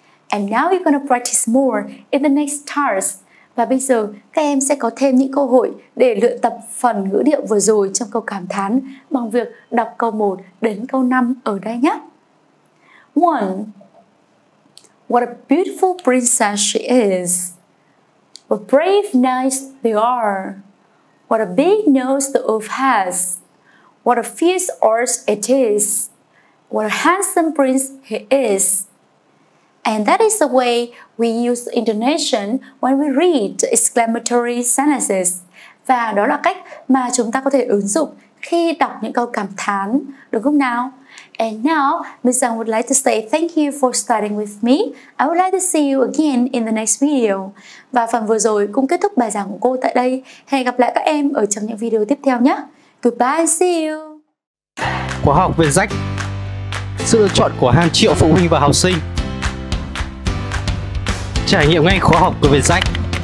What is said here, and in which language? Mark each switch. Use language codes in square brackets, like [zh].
[en] And now you're gonna practice more in the next task. [vi] Và bây giờ các em sẽ có thêm những cơ hội để luyện tập phần ngữ điệu vừa rồi trong câu cảm thán bằng việc đọc câu 1 đến câu 5 ở đây nhé. [en] One, what a beautiful princess she is. What brave knights they are. What a big nose the wolf has. What a fierce horse it is. What a handsome prince he is. And that is the way we use intonation when we read exclamatory sentences. [vi] Và đó là cách mà chúng ta có thể ứng dụng khi đọc những câu cảm thán, đúng không nào? [en] And now, Ms. Giang would like to say thank you for studying with me. I would like to see you again in the next video. [vi] Và phần vừa rồi cũng kết thúc bài giảng của cô tại đây. Hẹn gặp lại các em ở trong những video tiếp theo nhé. [en] Goodbye, see you. [vi] Khóa học VietJack. Sự lựa chọn của hàng triệu phụ huynh và học sinh. Trải nghiệm ngay khóa học của VietJack.